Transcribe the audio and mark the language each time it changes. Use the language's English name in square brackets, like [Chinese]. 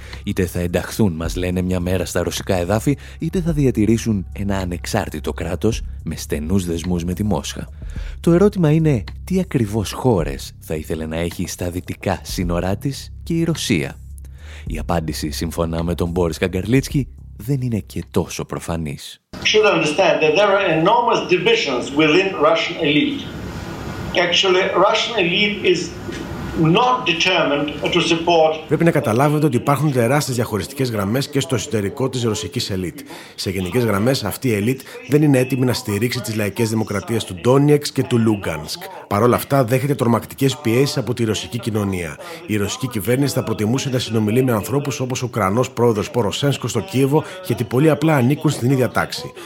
[Greek] Είτε θα ενταχθούν, μας λένε, μια μέρα στα ρωσικά εδάφη, είτε θα διατηρήσουν ένα ανεξάρτητο κράτος με στενούς δεσμούς με τη Μόσχα. Το ερώτημα είναι τι ακριβώς χώρες θα ήθελε να έχει στα δυτικά σύνορά της και η Ρωσία. Η απάντηση, σύμφωνα με τον Μπόρις Καγκαρλίτσκι, δεν είναι και τόσο προφανής. [English] Should understand that there are enormous divisions within Russian elite. Actually, Russian elite is not determined to support. [Greek] Πρέπει να καταλάβετε ότι υπάρχουν τεράστιες διαχωριστικές γραμμές και στο εσωτερικό της ρωσικής ελίτ. Σε γενικές γραμμές, αυτή η ελίτ δεν είναι έτοιμη να στηρίξει τις λαϊκές δημοκρατίες του Ντόνιεξ και του Λούγκανσκ. Παρ' όλα αυτά, δέχεται τρομακτικές πιέσεις από τη ρωσική κοινωνία. Η ρωσική κυβέρνηση θα προτιμούσε να συνομιλεί με ανθρώπους όπως ο Ουκρανός πρόεδρος Ποροσένσκο στο Κίεβο, γιατί πολύ απλά ανήκουν στην ίδια τάξη.